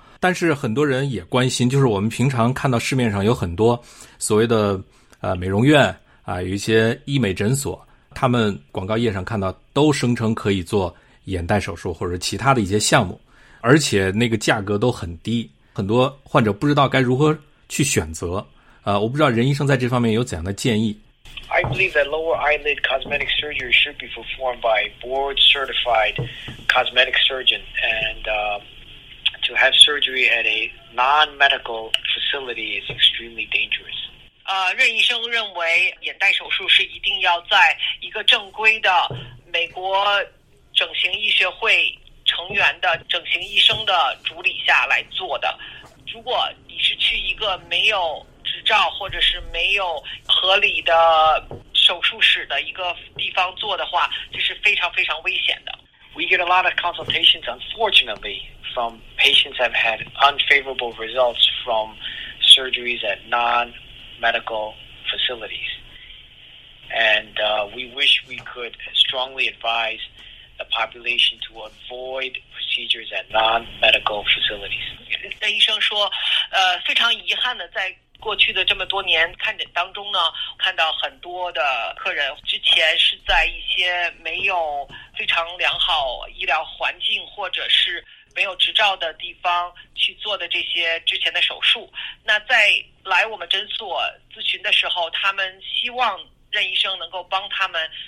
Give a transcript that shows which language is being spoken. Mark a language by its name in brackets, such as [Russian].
[Chinese] 但是很多人也关心，就是我们平常看到市面上有很多所谓的美容院啊，有一些医美诊所，他们广告页上看到都声称可以做眼袋手术或者其他的一些项目，而且那个价格都很低，很多患者不知道该如何去选择。我不知道任医生在这方面有怎样的建议。 [English] I believe that lower eyelid cosmetic surgery should be performed by board certified cosmetic surgeon and. To have surgery at a non-medical facility is extremely dangerous. [Chinese] 任医生认为眼袋手术是一定要在一个正规的美国整形医学会成员的整形医生的主理下来做的。如果你是去一个没有执照或者是没有合理的手术室的一个地方做的话，这是非常非常危险的。 [English] We get a lot of consultations, unfortunately. From patients have had unfavorable results from surgeries at non-medical facilities. And we wish we could strongly advise the population to avoid procedures at non-medical facilities. [Chinese] 医生说，非常遗憾的在过去的这么多年看诊当中呢，看到很多的客人之前是在一些没有非常良好医疗环境或者是没有执照的地方去做的这些之前的手术，那在来我们诊所咨询的时候，他们希望任医生能够帮他们